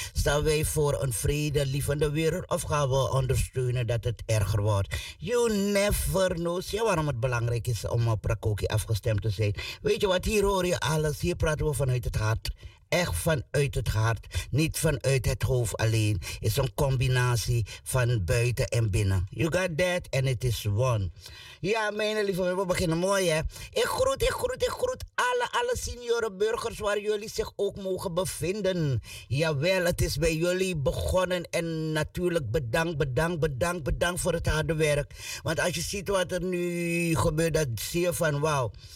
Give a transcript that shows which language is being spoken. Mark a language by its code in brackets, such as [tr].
[nl] Staan wij voor een vrede, lievende wereld? Of gaan we ondersteunen dat het erger wordt? [en] You never know. [nl] Zie je waarom het belangrijk is om op Rakoki afgestemd te zijn? Weet je wat? Hier hoor je alles. Hier praten we vanuit het hart. Echt vanuit het hart. Niet vanuit het hoofd alleen. Het is een combinatie van buiten en binnen. [en] You got that and it is one. [nl] Ja, mijn lieve, we beginnen mooi, hè. Ik groet alle senioren burgers waar jullie zich ook mogen bevinden. Jawel, het is bij jullie begonnen. En natuurlijk bedankt voor het harde werk. Want als je ziet wat er nu gebeurt, dan zie je van wauw.